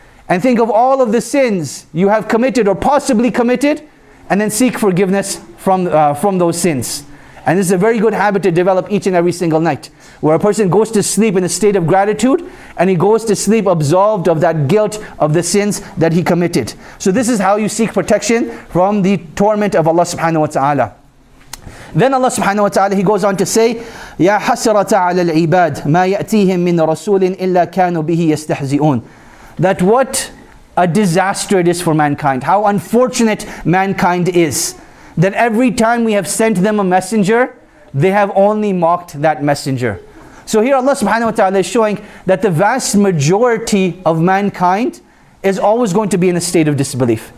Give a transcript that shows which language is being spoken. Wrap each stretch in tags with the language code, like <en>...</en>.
<en>And think of all of the sins you have committed or possibly committed, and then seek forgiveness from those sins. And this is a very good habit to develop each and every single night, where a person goes to sleep in a state of gratitude, and he goes to sleep absolved of that guilt of the sins that he committed. So this is how you seek protection from the torment of Allah subhanahu wa ta'ala. Then Allah subhanahu wa ta'ala, he goes on to say,</en> <ar>يَا حَسْرَةَ عَلَى الْعِبَادِ مَا يَأْتِيهِمْ مِنْ رَسُولٍ إِلَّا كَانُوا بِهِ يَسْتَحْزِئُونَ.</ar> <en>That what a disaster it is for mankind. How unfortunate mankind is. That every time we have sent them a messenger, they have only mocked that messenger. So here Allah subhanahu wa ta'ala is showing that the vast majority of mankind is always going to be in a state of disbelief.</en>